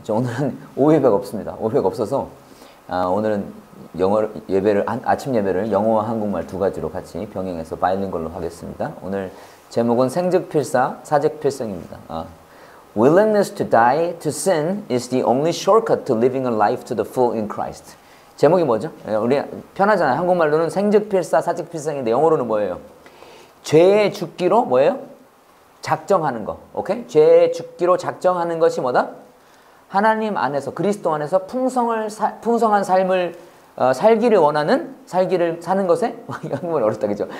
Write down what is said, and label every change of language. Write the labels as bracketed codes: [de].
[ko] 저 오늘은 오후 예배가 없습니다. 오후 예배가 없어서 오늘은 영어 예배를 아침 예배를 영어와 한국말 두 가지로 같이 병행해서 바일링걸로 하겠습니다. 오늘 제목은 생즉필사, 사직필생입니다. [en] Willingness to die to sin is the only shortcut to living a life to the full in Christ. [ko] 제목이 뭐죠? 우리 편하잖아요. 한국말로는 생즉필사, 사직필생인데 영어로는 뭐예요? 죄에 죽기로 뭐예요? 작정하는 거, 오케이? 죄 죽기로 작정하는 것이 뭐다? 하나님 안에서, 그리스도 안에서 풍성한 삶을 살기를 원하는, 살기를 사는 것에, 영문 어렵다, 그죠?